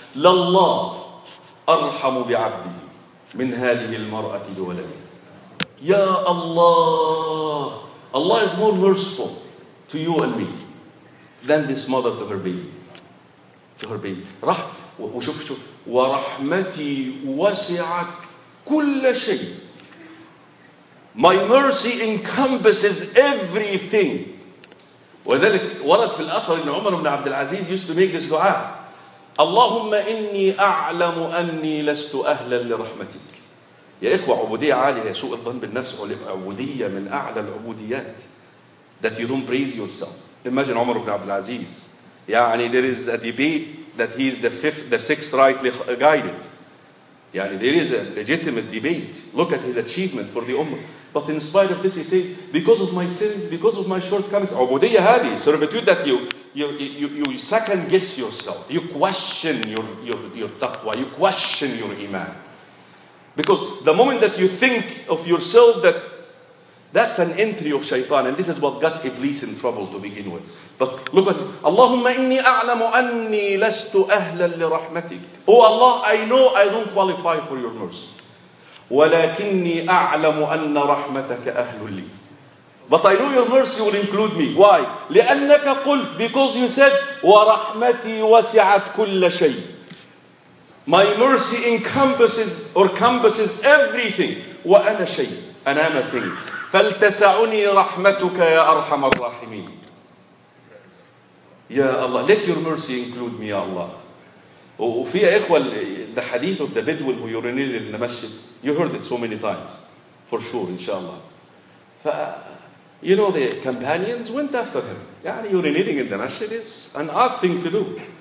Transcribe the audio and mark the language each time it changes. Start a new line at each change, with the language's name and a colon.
Arabic: لله أرحم بعبدي من هذه المرأة وولدها. يا الله,
English: Allah is more merciful to you and me than this mother to her baby. To her baby.
Arabic: رح وشوف شوف ورحمتي وسعت كل شيء.
English: My mercy encompasses everything.
Arabic: وذلك ورد في الأثر إن عمر بن عبد العزيز
English: used to make this
Arabic: دعاء. اللهم إني أعلم أني لست أهلا لرحمتك. يا إخوة عبودية عالية هي سوء الظن بالنفس عبودية من أعلى العبوديات.
English: That you don't praise yourself. Imagine عمر بن عبد العزيز.
Arabic: يعني
English: there is a debate that he is the sixth rightly guided.
Arabic: يعني
English: there is a legitimate debate. Look at his achievement for the Ummah. But in spite of this, he says, because of my sins, because of my shortcomings,
Arabic: عبودية هذه,
English: servitude that you second guess yourself. You question your taqwa. You question your iman. Because the moment that you think of yourself, that's an entry of shaitan. And this is what got Iblis in trouble to begin with. But look at it.
Arabic: اللهم إني أعلم أني لست أهلا لرحمتك.
English: Oh Allah, I know I don't qualify for your mercy.
Arabic: ولكني أعلم أن رحمتك أهل لي.
English: But I know your mercy will include me. Why?
Arabic: لأنك قلت,
English: because you said,
Arabic: ورحمتي وسعت كل شيء.
English: My mercy encompasses everything.
Arabic: وأنا شيء.
English: And I'm a thing.
Arabic: فلتسعني رحمتك يا أرحم الراحمين. يا الله,
English: let your mercy include me, يا الله.
Arabic: وفي إخوة,
English: the hadith of the Bedouin who urinated in the masjid, you heard it so many times, for sure, inshallah. You know, the companions went after him.
Arabic: يعني
English: urinating in the masjid is an odd thing to do.